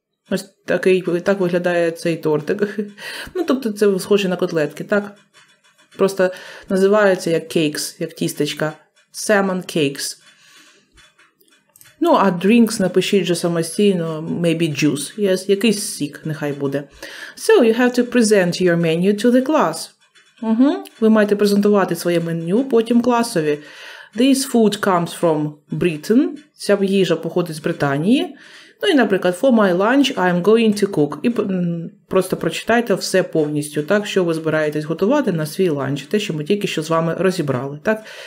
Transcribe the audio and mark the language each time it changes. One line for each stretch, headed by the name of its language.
Ukrainian: Ось такий, так виглядає цей тортик. Ну, тобто це схоже на котлетки, так? Просто називається як cakes, як тістечка.
English: Salmon cakes.
Ukrainian: Ну, а drinks напишіть вже самостійно,
English: maybe juice.
Ukrainian: Yes, якийсь сік, нехай буде.
English: So, you have to present your menu to the class.
Ukrainian: Ви маєте презентувати своє меню потім класові.
English: This food comes from Britain.
Ukrainian: Ця їжа походить з Британії. Ну і, наприклад,
English: for my lunch I'm going to cook.
Ukrainian: І просто прочитайте все повністю, так, що ви збираєтесь готувати на свій ланч, те, що ми тільки що з вами розібрали. Так?